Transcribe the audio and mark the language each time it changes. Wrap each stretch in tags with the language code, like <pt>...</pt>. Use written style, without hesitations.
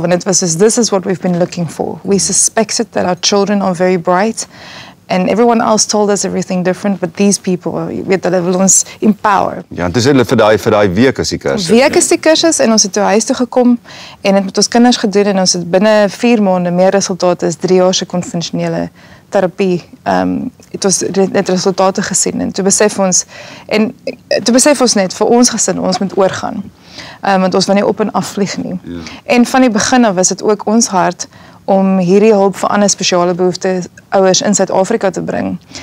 <af>Want het was soos,</af> <en>this is what we've been looking for. We suspected that our children are very bright And everyone else told us everything different, but these people,</en> <af>weet hulle, wil ons</af> <en>empower.</en> <af>Ja, en toe sê hulle vir daai week is die kursus. Week is die kursus en ons het toe huis toe gekom en het met ons kinders gedoen en ons het binnen 4 maande meer resultate as 3 jaar se conventionele therapie. Het ons net resultate gesien en toe besef ons net, vir ons gesin, ons moet oorgaan. Want ons wil nie op en af vlieg nie. Ja. En van die begin af was het ook ons hart om hierdie hulp vir ander speciale behoeftes ouers in Suid-Afrika te bring.</af>